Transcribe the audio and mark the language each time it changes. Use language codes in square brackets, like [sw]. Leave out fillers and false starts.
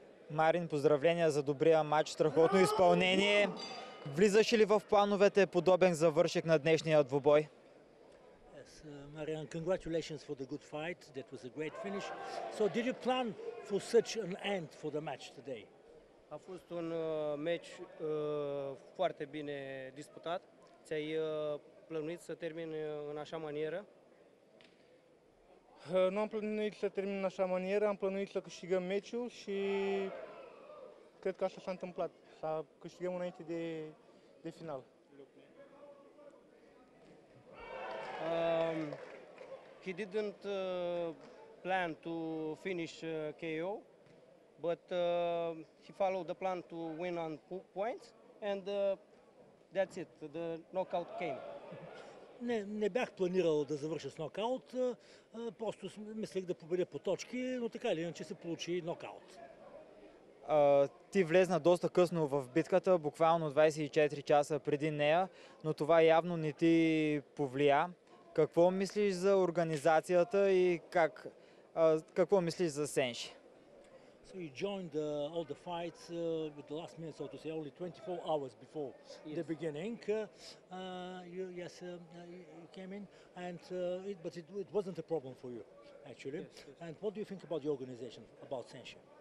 [bg] Марин, поздравления за добрия матч, страхотно изпълнение. Влизаше ли в плановете подобен завършек на днешния двубой? [en] Marian, congratulations for the good fight. That was a great finish. So, did you plan for such an end for the match today? [ro] A fost un meci foarte bine disputat. Ți-ai plănuit să termini în așa manieră? Nu am plănuit să termin în așa manieră, am plănuit să câștigăm meciul și cred că așa s-a întâmplat. Să câștigăm înainte de final. [en] He didn't plan to finish KO, but he followed the plan to win on points, and that's it, the knockout came. [bg] Не бях планирал да завърша с нокаут, просто мислех да победя по точки, но така или иначе се получи нокаут. Ти влезна доста късно в битката, буквално 24 часа преди нея, но това явно не ти повлия. Какво мислиш за организацията и какво мислиш за Сенши? [en] So you joined all the fights with the last minute, so to say, only 24 hours before yes. The beginning. You came in, and it wasn't a problem for you, actually. Yes, yes. And what do you think about the organization, about Sensi?